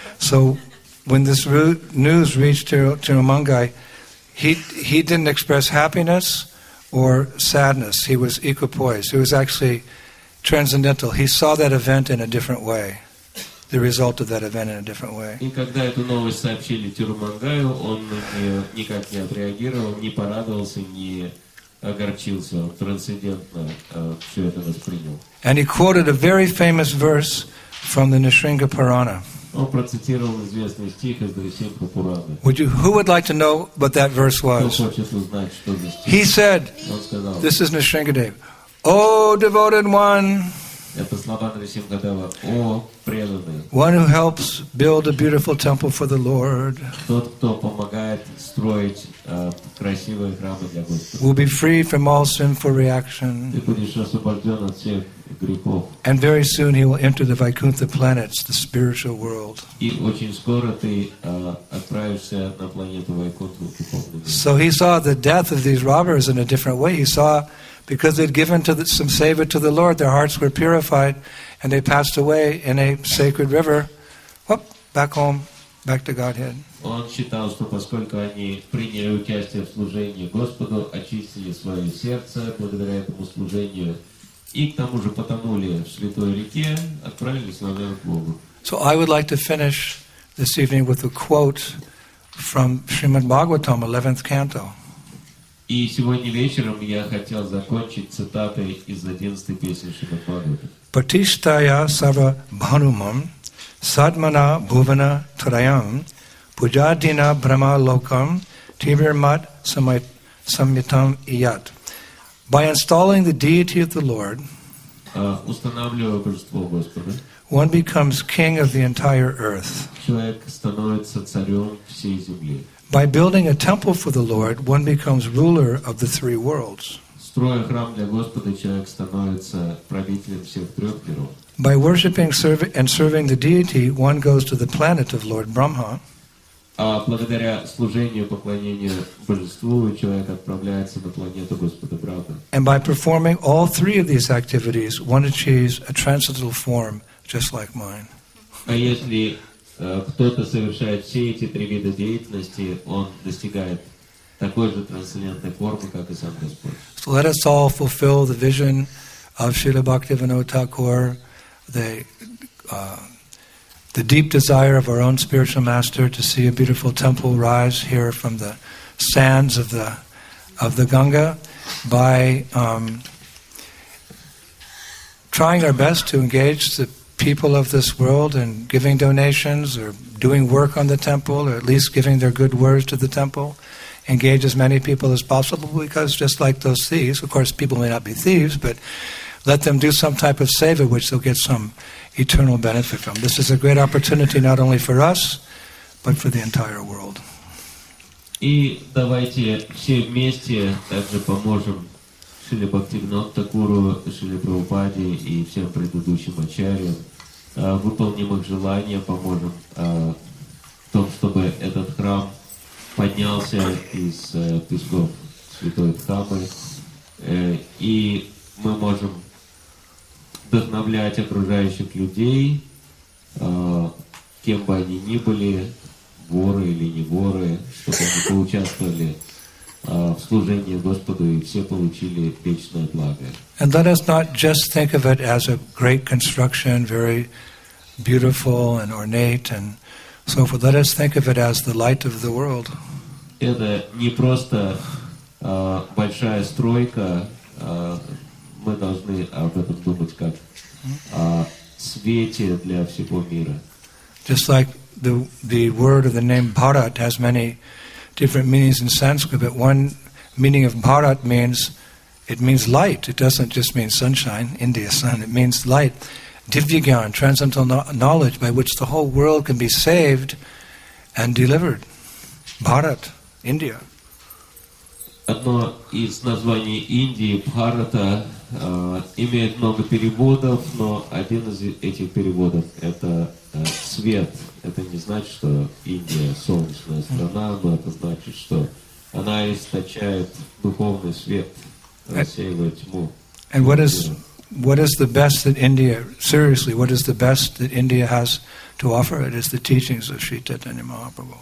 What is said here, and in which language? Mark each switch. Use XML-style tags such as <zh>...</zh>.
<en>So when this news reached Tirumangai, he didn't express happiness or sadness. He was equipoise. He was actually transcendental. He saw that event in a different way, the result of that event in a different way.</en> <ru>И когда эту новость сообщили Тирумангаю, он никак не отреагировал, не порадовался, не огорчился, он трансцендентно все это воспринял.</ru> <en>And he quoted a very famous verse from the Nisringa Purana.</en> <ru>Он процитировал известный стих из Нисринга Пурана.</ru> <en>Who would like to know what that verse was?</en> <ru>Кто хочет узнать, что за стих?</ru> <en>He said, this is Nisringadev, O devoted one,</en> <ru>это слова Нисрингадева, о преданный,</ru> <en>one who helps build a beautiful temple for the Lord,</en> <ru>тот, кто помогает строить красивые храмы для Господа,</ru> <en>will be free from all sinful reaction,</en> <ru>ты будешь освобожден от всех грехов,</ru> <en>and very soon he will enter the Vaikuntha planets, the spiritual world.</en> <ru>И очень скоро ты отправишься на планету Вайкунтху, духовный мир.</ru> <en>So he saw the death of these robbers in a different way. He saw, because they'd given some seva to the Lord, their hearts were purified, and they passed away in a sacred river. Whoop, back home, back to Godhead.</en> <ru>Он считал, что поскольку они приняли участие в служении Господу, очистили свое сердце благодаря этому служению, и к тому же потонули в святой реке, отправились назад к Богу.</ru> <en>So I would like to finish this evening with a quote from Srimad Bhagavatam, 11th canto.</en> <ru>И сегодня вечером я хотел закончить цитатой из 11-й песни Шримад-Бхагаватам.</ru> <sa>Патиштая сарва бханумам садмана бхувана траям пуджадина брама локам тивирмат самитам ият.</sa> <en>By installing the deity of the Lord,</en> <ru>устанавливая божество Господа,</ru> <en>one becomes king of the entire earth.</en> <ru>Человек становится царем всей земли.</ru> <en>By building a temple for the Lord, one becomes ruler of the three worlds.</en> <ru>Строя храм для Господа, человек становится правителем всех трех миров.</ru> <en>By worshiping and serving the deity, one goes to the planet of Lord Brahma.</en> <ru>А благодаря служению и поклонению божеству, человек отправляется на планету Господа Брахмы.</ru> <en>And by performing all three of these activities, one achieves a transcendental form just like mine.</en> <ru>А если кто-то совершает все эти три вида деятельности, он достигает такой же трансцендентной формы, как и сам Господь.</ru> <en>So let us all fulfill the vision of Srila Bhaktivinoda Thakur, the deep desire of our own spiritual master to see a beautiful temple rise here from the sands of the Ganga by trying our best to engage the people of this world and giving donations or doing work on the temple or at least giving their good words to the temple engage as many people as possible, because just like those thieves, of course people may not be thieves, but let them do some type of seva which they'll get some eternal benefit from. This is a great opportunity not only for us, but for the entire world.</en> <ru>И давайте все вместе также поможем Шриле Бхактивинода Тхакуру, Шриле Прабхупаде и всем предыдущим ачарьям. Выполним их желание, поможем в том, чтобы этот храм поднялся из песков Святой Дхамы. И мы можем вдохновлять окружающих людей, кем бы они ни были, воры или не воры, чтобы они поучаствовали в служении Господу и все получили вечное благо.</ru> <en>And let us not just think of it as a great construction, very beautiful and ornate and so forth. Let us think of it as the light of the world.</en> <ru>Это не просто большая стройка, мы должны об этом думать как о свете для всего мира.</ru> <en>Just like the word or the name Bharat has many different meanings in Sanskrit, but one meaning of Bharat means, it means light. It doesn't just mean sunshine, India sun, it means light. Divyagyan, transcendental knowledge by which the whole world can be saved and delivered. Bharat, India.</en> <ru>Одно из названий Индии, Бхарата, имеет много переводов, но один из этих переводов – это свет. Это не значит, что Индия – солнечная страна, но это значит, что она источает духовный свет, рассеивает тьму.</ru> <en>And what is the best that India, seriously, what is the best that India has to offer? It is the teachings of Sri Chaitanya Mahaprabhu.</en>